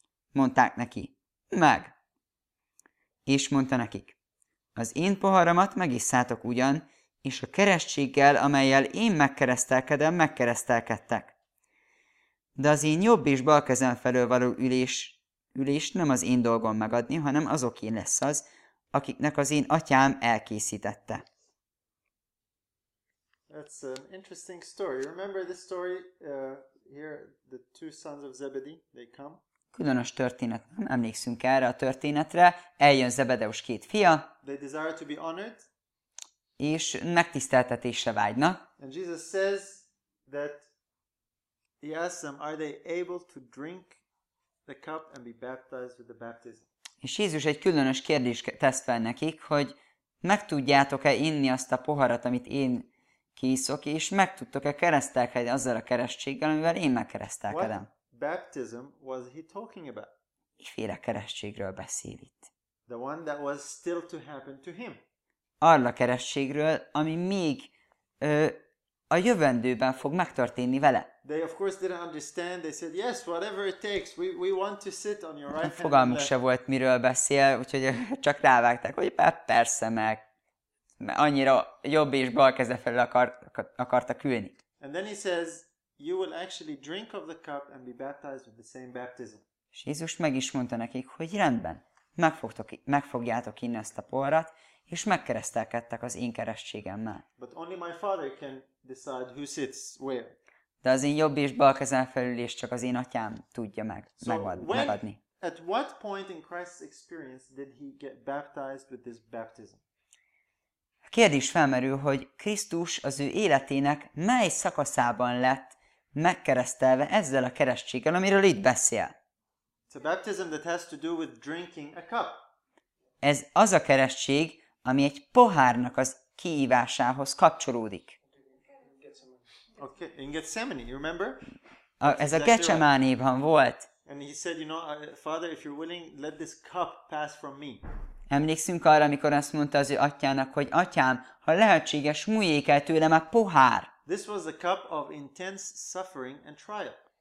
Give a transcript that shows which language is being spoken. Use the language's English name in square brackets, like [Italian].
[Hungarian] Mondták neki, meg. És mondta nekik, az én poharamat megisszátok ugyan, és a keresztséggel, amellyel én megkeresztelkedem, megkeresztelkedtek. De az én jobb és bal kezem felől való ülés nem az én dolgom megadni, hanem azoké lesz az, akiknek az én atyám elkészítette. [English] That's an interesting story. Remember this story here, the two sons of Zebedee, they come. [Hungarian] Különös történet, nem emlékszünk erre a történetre. Eljön Zebedeus két fia. [English] They desire to be honored. [Hungarian] És megtiszteltetésre vágynak. [English] And Jesus says that he asks them, are they able to drink the cup and be baptized with the baptism? [Hungarian] És Jézus egy különös kérdést tesz fel nekik, hogy meg tudjátok-e inni azt a poharat, amit én kiszok, és meg tudtok-e keresztelkedni azzal a keresztséggel, amivel én megkeresztelkedem. [English] What baptism was he talking about? [Hungarian] Miféle keresztségről beszél itt? [English] The one that was still to happen to him. [Hungarian] Arra keresztségről, ami még a jövendőben fog megtörténni vele. [English] They of course didn't understand. They said, yes, whatever it takes, we want to sit on your right hand. [Hungarian] Fogalmuk se volt, miről beszél, úgyhogy csak rávágták, hogy persze meg. Mert annyira jobb és bal keze felül akartak ülni. [English] And then he says, you will actually drink of the cup and be baptized with the same baptism. [Hungarian] És Jézus meg is mondta nekik, hogy rendben, meg fogjátok inni ezt a poharat, és megkeresztelkedtek az én keresztségemmel. [English] But only my father can decide who sits where. [Hungarian] De az én jobb és bal kezem felül is csak az én atyám tudja megadni. [English] At what point in Christ's experience did he get baptized with this baptism? [Hungarian] Kérdés felmerül, hogy Krisztus az ő életének mely szakaszában lett megkeresztelve ezzel a keresztséggel, amiről itt beszél. [English] It's a baptism that has to do with drinking a cup. [Hungarian] Ez az a keresztség, ami egy pohárnak az kiívásához kapcsolódik. [English] Okay, in Gethsemane, you remember? [Hungarian] Ez a Getsemánéban volt. [English] And he said, you know, Father, if you're willing, let this cup pass from me. [Hungarian] Emlékszünk arra, amikor azt mondta az ő atyának, hogy atyám, ha lehetséges, múljék el tőlem a pohár. [English] This was a cup of intense suffering and trial.